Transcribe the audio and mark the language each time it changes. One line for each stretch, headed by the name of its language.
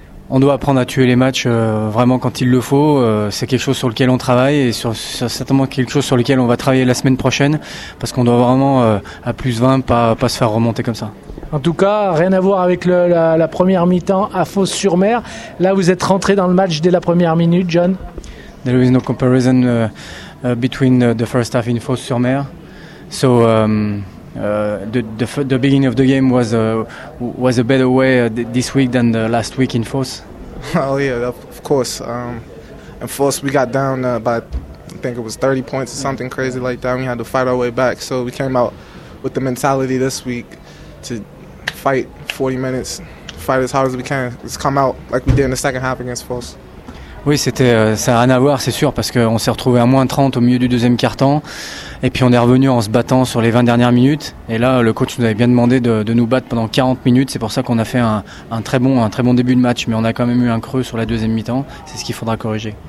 French: On doit apprendre à tuer les matchs vraiment quand il le faut. C'est quelque chose sur lequel on travaille et sur certainement quelque chose sur lequel on va travailler la semaine prochaine parce qu'on doit vraiment à plus 20 pas se faire remonter comme ça. En tout cas, rien à voir avec la première mi-temps à Fos-sur-Mer. Là, vous êtes rentré dans le match dès la première minute, John.
English: There is no comparison between the first half in Fos-sur-Mer. So the beginning of the game was a better way this week than the last week in Fos. Oh yeah, of course. In Fos, we got down by I think it was 30 points or something crazy like that. We had to fight our way back, so we came out with the mentality this week to fight 40 minutes, fight as hard as we can. Let's come out like we did in the second half against Fos.
French: Oui, c'était ça a rien à voir, c'est sûr, parce qu'on s'est retrouvé à moins 30 au milieu du deuxième quart-temps, et puis on est revenu en se battant sur les 20 dernières minutes. Et là, le coach nous avait bien demandé de nous battre pendant 40 minutes. C'est pour ça qu'on a fait un très bon début de match, mais on a quand même eu un creux sur la deuxième mi-temps. C'est ce qu'il faudra corriger.